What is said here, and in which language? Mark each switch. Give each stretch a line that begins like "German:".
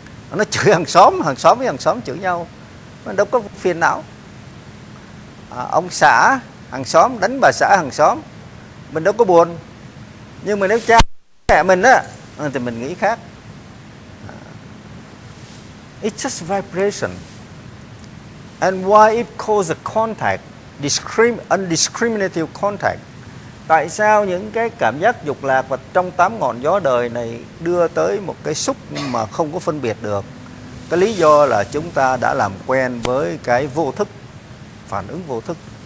Vietnamese: Nó chửi hàng xóm với hàng xóm chửi nhau, nó đâu có phiền não. Ông xã hàng xóm đánh bà xã hàng xóm, mình đâu có buồn. Nhưng mà nếu cha mẹ mình á thì mình nghĩ khác.
English: It's just vibration. And why it causes a contact, undiscriminative contact?
Vietnamese: Tại sao những cái cảm giác dục lạc và trong tám ngọn gió đời này đưa tới một cái xúc mà không có phân biệt được? Cái lý do là chúng ta đã làm quen với cái vô thức, phản ứng vô thức.